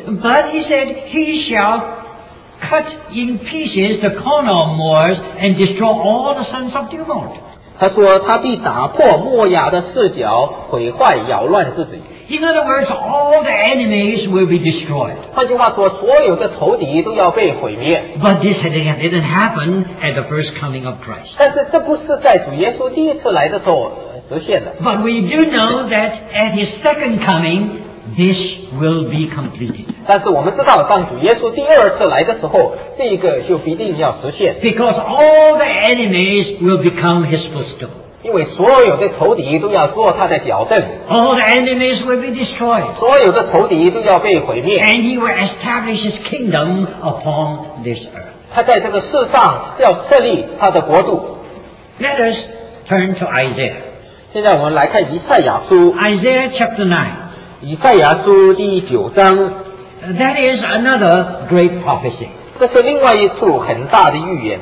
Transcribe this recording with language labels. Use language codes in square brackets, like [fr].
[en] ？But he said he shall cut in pieces the corner of Moors and destroy all the sons of tumult. [zh] 他说他必打破摩押的四角，毁坏扰乱自己。 [en] In other words, all the enemies will be destroyed. [zh] 换句话说，所有的仇敌都要被毁灭。 [en] But this didn't happen at the first coming of Christ. [zh] 但是这不是在主耶稣第一次来的时候实现的。 [en] But we do know that at his second coming, this will be completed. [zh] 但是我们知道，当主耶稣第二次来的时候，这个就必定要实现。 [en] Because all the enemies will become his footstool. [zh] 因为所有的仇敌都要做他的脚凳。 [en] All the enemies will be destroyed. [zh] 所有的仇敌都要被毁灭。 [en] And he will establish his kingdom upon this earth. [zh] 他在这个世上要设立他的国度。 [en] Let us turn to Isaiah. [zh] 现在我们来看以赛亚书。 [en] Isaiah chapter 9. [zh] 以赛亚书第九章。 [en] That is another great prophecy. [zh] 这是另外一处很大的预言。